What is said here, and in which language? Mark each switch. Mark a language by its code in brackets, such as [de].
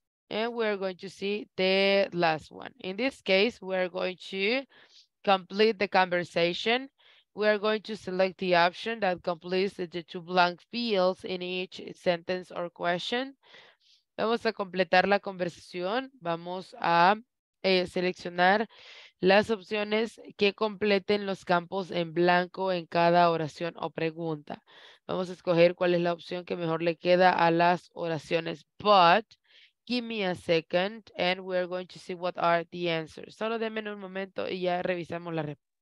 [en] And we're going to see the last one. In this case, we're going to complete the conversation. We are going to select the option that completes the two blank fields in each sentence or question. [es] Vamos a completar la conversación. Vamos a seleccionar las opciones que completen los campos en blanco en cada oración o pregunta. Vamos a escoger cuál es la opción que mejor le queda a las oraciones. [en] But give me a second and we are going to see what are the answers. [es] Solo denme un momento y ya revisamos la respuesta.